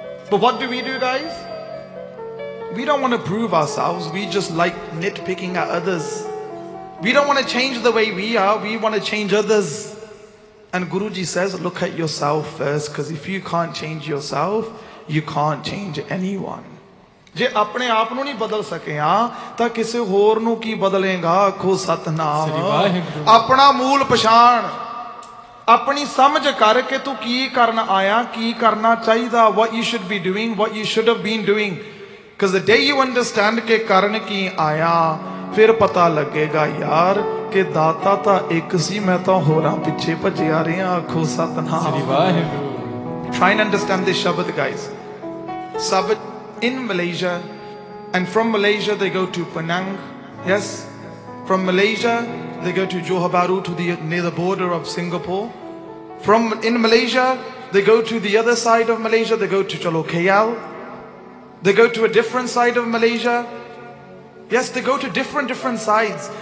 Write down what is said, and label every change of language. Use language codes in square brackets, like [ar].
[en] But what do we do, guys? We don't want to prove ourselves. We just like nitpicking at others. We don't want to change the way we are. We want to change others. And Guruji says, look at yourself first, because if you can't change yourself, you can't change anyone. [pa] ਜੇ ਆਪਣੇ ਆਪ ਨੂੰ ਨਹੀਂ ਬਦਲ ਸਕਿਆ ਤਾਂ ਕਿਸੇ ਹੋਰ ਨੂੰ ਕੀ ਬਦਲੇਗਾ? ਆਖੋ ਸਤਨਾਮ। ਆਪਣਾ ਮੂਲ ਪਛਾਣ, ਆਪਣੀ ਸਮਝ ਕਰ ਕੇ ਤੂੰ ਕੀ ਕਰਨ ਆਇਆ, ਕੀ ਕਰਨਾ ਚਾਹੀਦਾ। [en] what you should be doing, what you should have been doing, because the day you understand [pa] ਕਿ ਕਰਨ ਕੀ ਆਇਆ, ਫਿਰ ਪਤਾ ਲੱਗੇਗਾ ਯਾਰ ਕਿ ਦਾਤਾ ਤਾਂ ਇੱਕ ਸੀ, ਮੈਂ ਤਾਂ ਹੋਰਾਂ ਪਿੱਛੇ ਭੱਜਿਆ ਰਿਹਾ। ਆਖੋ ਸਤਨਾਮ। [en] Try and understand this ਸ਼ਬਦ guys. ਸਭ in Malaysia, and from Malaysia they go to Penang, yes, from Malaysia they go to Johor Bahru, to the near the border of Singapore, from in Malaysia they go to the other side of Malaysia, they go to Chalo KL, they go to a different side of Malaysia, yes, they go to different sides.